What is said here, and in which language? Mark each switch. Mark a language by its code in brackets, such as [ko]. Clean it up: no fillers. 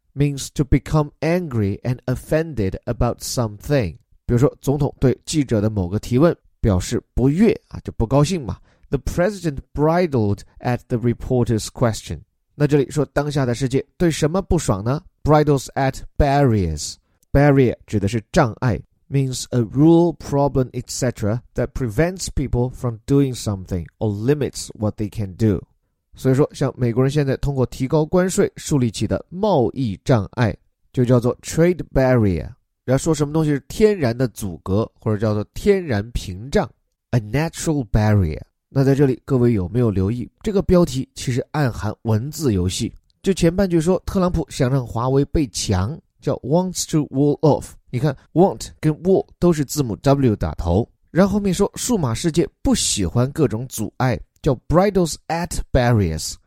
[en] means to become angry and offended about something, [zh] 比如说总统对记者的某个提问表示不悦啊，就不高兴嘛。 [en] The president bridled at the reporter's question, [zh] 那这里说当下的世界对什么不爽呢？ [en] bridles at barriers, barrier [zh] 指的是障碍， [en] means a rule, problem, etc. that prevents people from doing something or limits what they can do. [zh] 所以说像美国人现在通过提高关税树立起的贸易障碍就叫做 trade barrier, 然后说什么东西是天然的阻隔或者叫做天然屏障 [en] a natural barrier. [zh] 那在这里各位有没有留意，这个标题其实暗含文字游戏，就前半句说特朗普想让华为被墙叫 [en] wants to wall off, [zh] 你看 want 跟 wall 都是字母 W 打头，然后后面说数码世界不喜欢各种阻碍叫 [en] bridles at barriers,